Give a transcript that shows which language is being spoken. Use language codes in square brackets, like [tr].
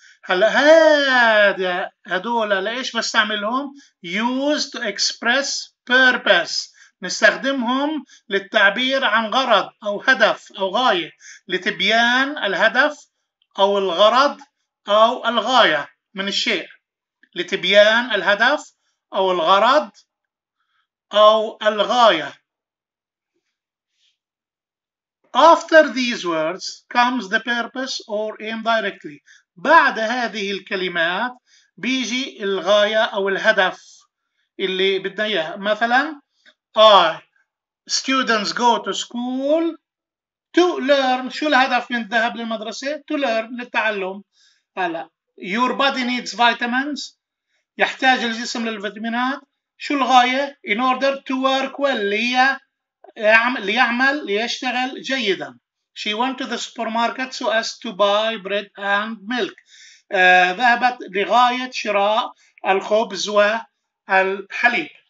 [ar] هلا هدول لإيش بستعملهم؟ [en] use to express purpose، [ar] نستخدمهم للتعبير عن غرض أو هدف أو غاية، لتبيان الهدف أو الغرض أو الغاية من الشيء. لتبيان الهدف أو الغرض أو الغاية. [en] After these words comes the purpose or aim directly. [ar] بعد هذه الكلمات بيجي الغاية أو الهدف اللي بدنا إياه. مثلاً [en] I students go to school To learn, [ar] شو الهدف من الذهاب للمدرسة؟ [en] To learn, [ar] للتعلم. هلا [en] your body needs vitamins, [ar] يحتاج الجسم للفيتامينات. شو الغاية؟ [en] In order to work well, [ar] ليعمل ليشتغل جيدا. [en] She went to the supermarket so as to buy bread and milk. [ar] ذهبت لغاية شراء الخبز والحليب.